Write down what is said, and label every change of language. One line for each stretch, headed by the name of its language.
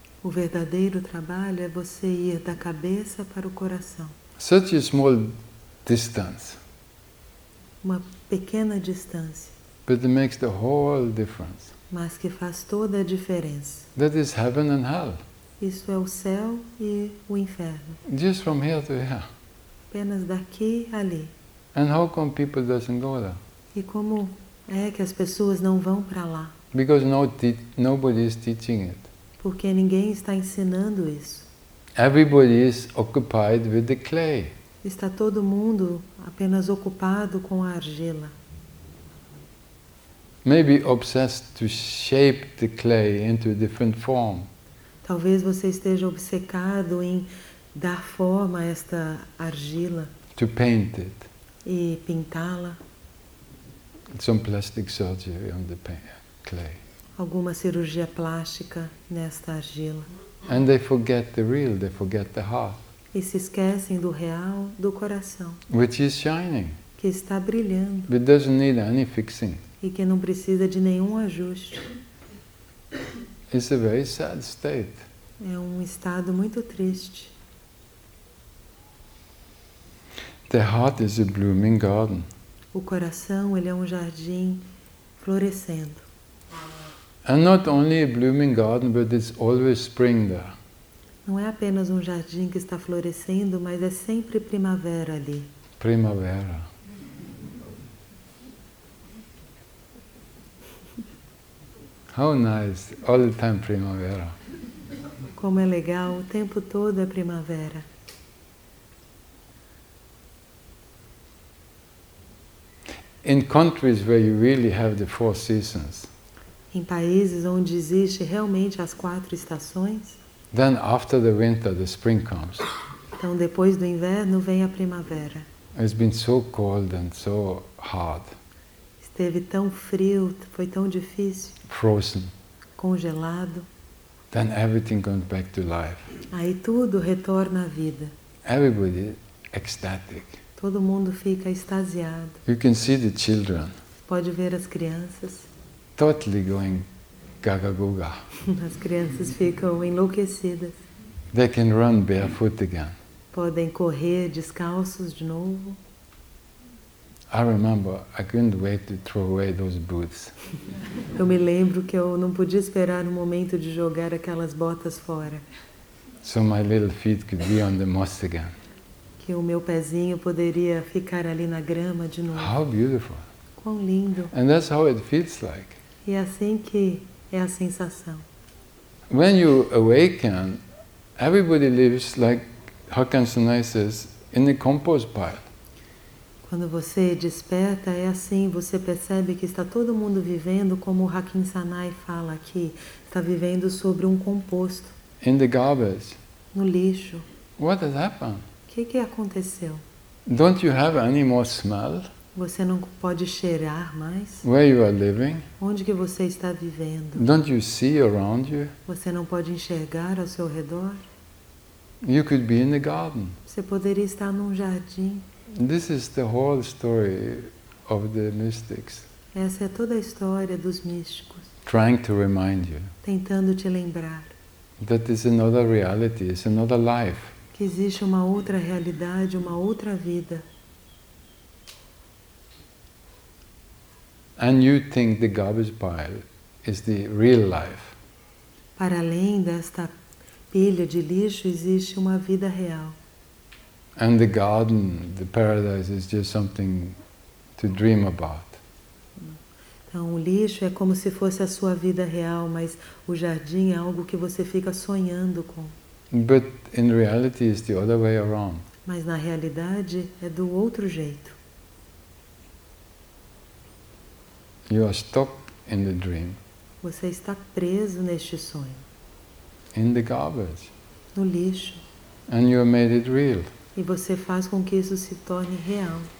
Portuguese: O verdadeiro trabalho é você ir da cabeça para o coração.
English: Such a small distance.
Portuguese: Uma pequena distância.
English: But it makes the whole difference.
Portuguese: Mas que faz toda a diferença.
English: That is heaven and hell.
Portuguese: Isso é o céu e o inferno.
English: Just from here to here.
Portuguese: Apenas daqui ali.
English: And how come people doesn't go there?
Portuguese: E como é que as pessoas não vão para lá?
English: Because nobody is teaching it.
Portuguese: Porque ninguém está ensinando isso.
English: Everybody is occupied with the clay.
Portuguese: Está todo mundo apenas ocupado com a argila.
English: Maybe obsessed to shape the clay into a different form.
Portuguese: Talvez você esteja obcecado em dar forma a esta argila.
English: To paint it.
Portuguese: E pintá-la.
English: Some plastic surgery on the clay.
Portuguese: Alguma cirurgia plástica nesta argila.
English: And they forget the real, they forget the heart.
Portuguese: E se esquecem do real, do coração.
English: Which is shining.
Portuguese: Que está brilhando.
English: It doesn't need any fixing.
Portuguese: E que não precisa de nenhum ajuste.
English: It's a very sad state.
Portuguese: É estado muito triste.
English: The heart is a blooming garden.
Portuguese: O coração, ele é jardim florescendo.
English: And not only a blooming garden, but it's always spring there.
Portuguese: Não é apenas jardim que está florescendo, mas é sempre primavera ali. Primavera.
English: How nice, all the time primavera.
Portuguese: Como é legal, o tempo todo é primavera.
English: In countries where you really have the four seasons.
Portuguese: Em países onde existe realmente as quatro estações.
English: Then after the winter, the spring comes.
Portuguese: Então depois do inverno vem a primavera.
English: It's been so cold and so hard.
Portuguese: Esteve tão frio, foi tão difícil.
English: Frozen.
Portuguese: Congelado.
English: Then everything comes back to life.
Portuguese: Aí tudo retorna à vida.
English: Everybody ecstatic.
Portuguese: Todo mundo fica extasiado.
English: You can see the children.
Portuguese: Pode ver as crianças.
English: Totally going gaga guga.
Portuguese: As crianças ficam enlouquecidas.
English: They can run barefoot again.
Portuguese: Podem correr descalços de novo.
English: I remember I couldn't wait to throw away those boots.
Portuguese: Eu me lembro que eu não podia esperar o momento de jogar aquelas botas fora.
English: So my little feet could be on the moss again.
Portuguese: Que o meu pezinho poderia ficar ali na grama de novo.
English: How beautiful.
Portuguese: Quão lindo.
English: And that's how it feels like.
Portuguese: E assim que é a sensação.
English: When you awaken, everybody lives like Hakim Sanai says in a compost pile.
Portuguese: Quando você desperta, é assim, você percebe que está todo mundo vivendo como o Hakim Sanai fala aqui, está vivendo sobre composto.
English: In the garbage.
Portuguese: No lixo.
English: What has happened?
Portuguese: O que aconteceu?
English: Don't you have any more smell?
Portuguese: Você não pode cheirar mais?
English: Where you are living?
Portuguese: Onde que você está vivendo?
English: Don't you see around you?
Portuguese: Você não pode enxergar ao seu redor?
English: You could be in the garden.
Portuguese: Você poderia estar num jardim.
English: This is the whole story of the mystics.
Portuguese: Essa é toda a história dos místicos.
English: Trying to remind you.
Portuguese: Tentando te lembrar.
English: That is another reality, it's another life.
Portuguese: Que existe uma outra realidade, uma outra vida.
English: And you think the garbage pile is the real life.
Portuguese: Para além desta pilha de lixo, existe uma vida real.
English: And the garden, the paradise, is just something to dream about.
Portuguese: Então, o lixo é como se fosse a sua vida real, mas o jardim é algo que você fica sonhando com.
English: But in reality, it's the other way around.
Portuguese: Mas na realidade é do outro jeito.
English: You are stuck in the dream.
Portuguese: Você está preso neste sonho.
English: In the garbage.
Portuguese: No lixo.
English: And you made it real.
Portuguese: E você faz com que isso se torne real.